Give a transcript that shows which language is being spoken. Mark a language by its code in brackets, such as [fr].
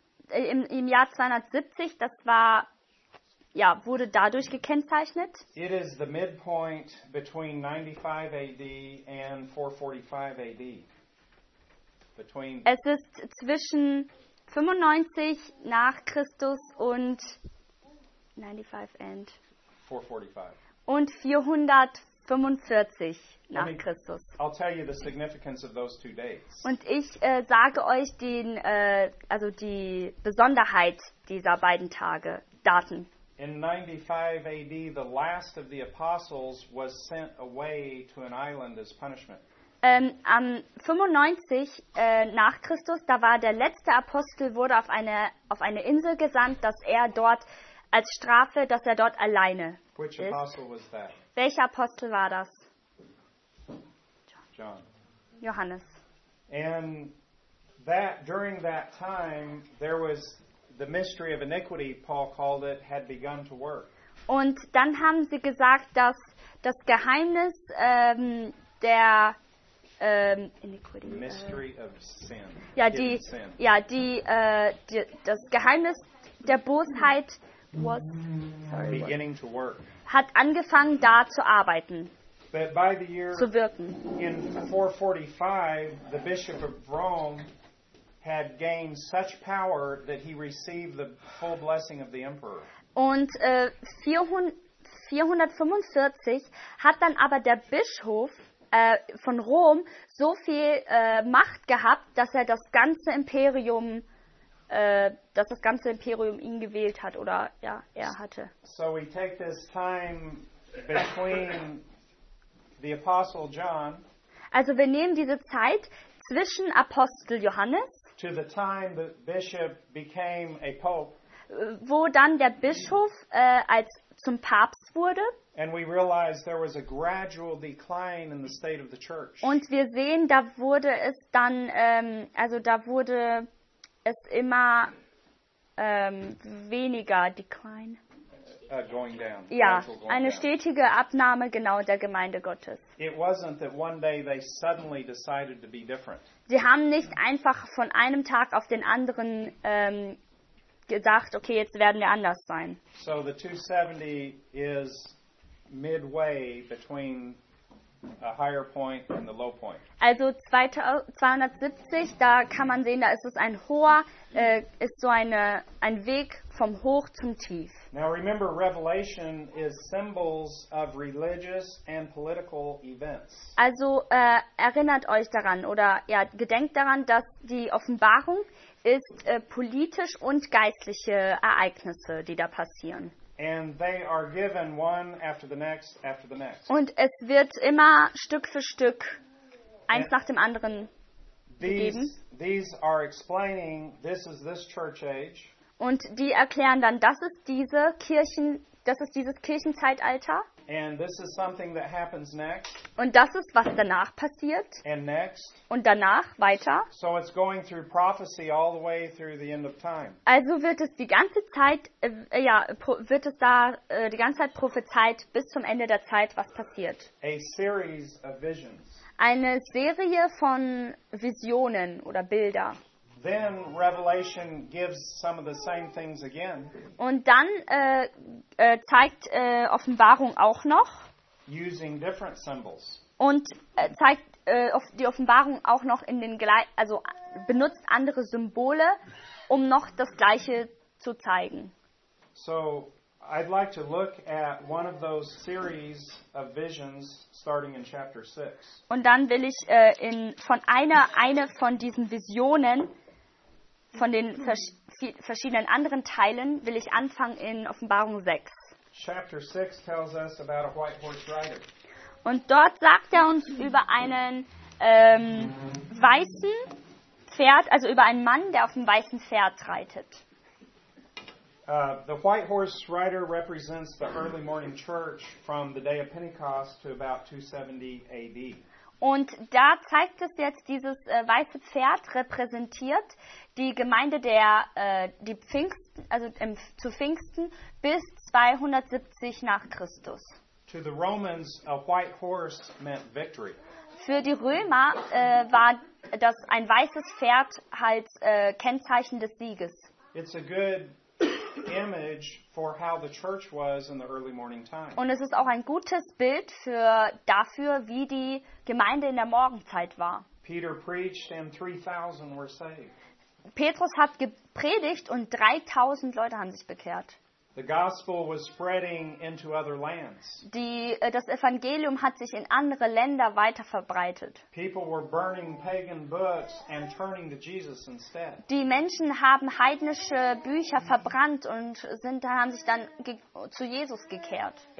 [de] Im Jahr 270, das war, ja, wurde dadurch gekennzeichnet. [en] It is the midpoint between 95 AD and 445 AD. [de] Es ist zwischen 95 nach Christus und 445 nach Christus. [en] I'll tell you the significance of those two dates. [de] Und ich sage euch die Besonderheit dieser beiden Tage, Daten. [en] In 95 AD, the last of the apostles was sent away to an island as punishment. [de] Am 95 nach Christus, da war der letzte Apostel, wurde auf eine Insel gesandt, dass er dort als Strafe, dass er dort alleine ist. [en] Which apostle was that? [de] Welcher Apostel war das? [en] John. [de] Johannes. [en] And that during that time there was the mystery of iniquity, Paul called it, had begun to work. [de] Und dann haben sie gesagt, dass das Geheimnis der [en] iniquity. Mystery of sin. [de] Ja, das Geheimnis der Bosheit [en] was beginning to work. [de] Hat angefangen da zu arbeiten. [en] But by the year [de] zu wirken. [en] In 445, the Bishop of Rome had gained such power that he received the full blessing of the emperor. [de] Und 445 hat dann aber der Bischof von Rom so viel Macht gehabt, dass er das ganze Imperium ihn gewählt hat, oder ja, er hatte. [en] So we take this time between the apostle John. [de] Also wir nehmen diese Zeit zwischen Apostel Johannes [en] to the time the bishop became a pope, [de] wo dann der Bischof als zum Papst wurde. [en] And we realize there was a gradual decline in the state of the church. [de] Und wir sehen, da wurde es dann weniger decline. [en] Going down. [de] Ja, [en] going [de] eine [en] down. [de] Stetige Abnahme genau der Gemeinde Gottes. [en] It wasn't that one day they suddenly decided to be different. Sie haben nicht einfach von einem Tag auf den anderen gesagt, okay, jetzt werden wir anders sein. So the 270 is midway between a higher point and the low point. [de] Also 270, da kann man sehen, da ist es ein hoher, ist so ein Weg vom Hoch zum Tief. [en] Now remember, Revelation is symbols of religious and political events. [de] Also erinnert euch daran oder ja, gedenkt daran, dass die Offenbarung ist politisch und geistliche Ereignisse, die da passieren. [en] And they are given one after the next, after the next. [de] Und es wird immer Stück für Stück, eins nach dem anderen, gegeben. [en] These are explaining, this is this church age. [de] Und die erklären dann, das ist diese Kirchen, das ist dieses Kirchenzeitalter. [en] And this is something that happens next. [de] Und das ist, was danach passiert. [en] And next. [de] Und danach weiter. [en] So it's going through prophecy all the way through the end of time. [de] Also wird es die ganze Zeit, die ganze Zeit prophezeit bis zum Ende der Zeit, was passiert. [en] A series of visions. [de] Eine Serie von Visionen oder Bilder. [en] Then Revelation gives some of the same things again. [de] Und dann zeigt Offenbarung auch noch. [en] Using different symbols. [de] Und zeigt die Offenbarung auch noch in den also benutzt andere Symbole, um noch das Gleiche zu zeigen. [en] So, I'd like to look at one of those series of visions starting in chapter 6. [de] Und dann will ich eine von diesen Visionen von den verschiedenen anderen Teilen will ich anfangen in Offenbarung 6. [en] Chapter 6 tells us about a white horse rider. [de] Und dort sagt er uns über einen weißen Pferd, also über einen Mann, der auf einem weißen Pferd reitet. [en] The white horse rider represents the early morning church from the day of Pentecost to about 270 AD. [de] Und da zeigt es jetzt, dieses weiße Pferd repräsentiert die Gemeinde der die Pfingsten, also zu Pfingsten bis 270 nach Christus. [en] To the Romans, a white horse meant victory. [de] Für die Römer war das ein weißes Pferd halt Kennzeichen des Sieges. [en] It's a good image for how the church was in the early morning time. [de] Und es ist auch ein gutes Bild dafür, wie die Gemeinde in der Morgenzeit war. [en] Peter preached and 3,000 were saved. [de] Petrus hat gepredigt und 3,000 Leute haben sich bekehrt. [en] The gospel was spreading into other lands. [de] Das Evangelium hat sich in andere Länder weiter verbreitet. [en] People were burning pagan books and turning to Jesus instead. [de] Die Menschen haben heidnische Bücher verbrannt und haben sich dann zu Jesus gekehrt.